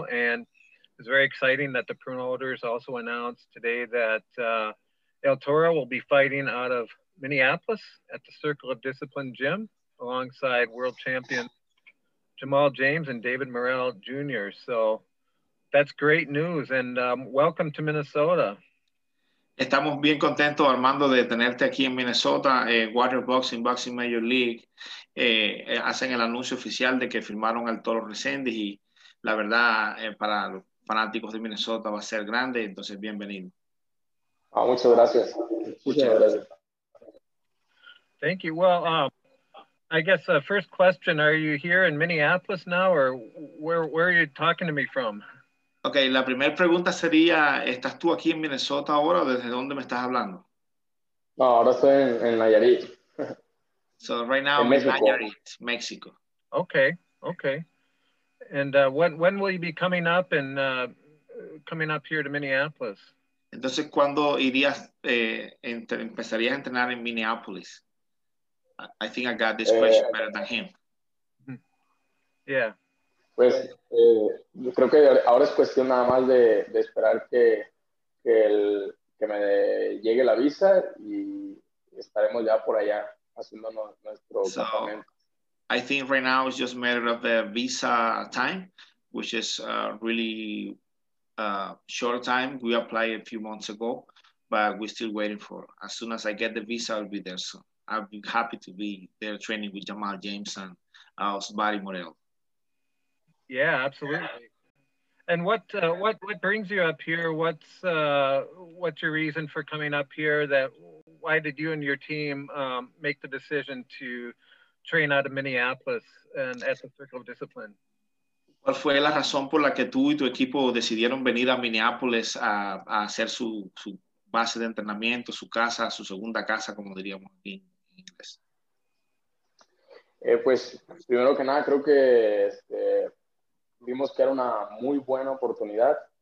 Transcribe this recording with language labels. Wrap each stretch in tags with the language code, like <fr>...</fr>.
<en>And it was very exciting that the promoters also announced today that El Toro will be fighting out of Minneapolis at the Circle of Discipline gym alongside world champion Jamal James and David Morrell Jr. So that's great news, and welcome to Minnesota.</en> <es>Estamos bien contentos, Armando, de tenerte aquí en Minnesota. Warrior Boxing, Boxing Major League, hacen el anuncio oficial de que firmaron al Toro Resendiz, y la verdad, para los fanáticos de Minnesota va a ser grande, entonces bienvenido. Oh, muchas gracias. Muchas gracias.</es> <en>Thank you. Well, I guess the first question, are you here in Minneapolis now, or where are you talking to me from?</en> <es>Okay, la primera pregunta sería, ¿estás tú aquí en Minnesota ahora o desde dónde me estás hablando? No, ahora estoy en Nayarit.</es> <en>So right now I'm in Nayarit, Mexico. Okay, okay. And when will you be coming up and coming up here to Minneapolis?</en> <es>Entonces, ¿cuándo irías, empezarías a entrenar en Minneapolis?</es> <en>I think I got this question better than him. Yeah.</en> <es>Pues, yo creo que ahora es cuestión nada más de esperar que me llegue la visa y estaremos ya por allá haciendo nuestro campamento.</es> <en>So, I think right now it's just a matter of the visa time, which is really short time. We applied a few months ago, but we're still waiting for. As soon as I get the visa, I'll be there soon. I'd be happy to be there training with Jamal James and Osbari Morel. Yeah, absolutely. And what brings you up here? What's your reason for coming up here? That why did you and your team make the decision to train out of Minneapolis and at the Circle of Discipline?</en> <es>¿Cuál fue la razón por la que tú y tu equipo decidieron venir a Minneapolis a hacer su base de entrenamiento, su casa, su segunda casa, como diríamos aquí? Pues primero que nada creo que vimos que era una muy buena oportunidad.</es>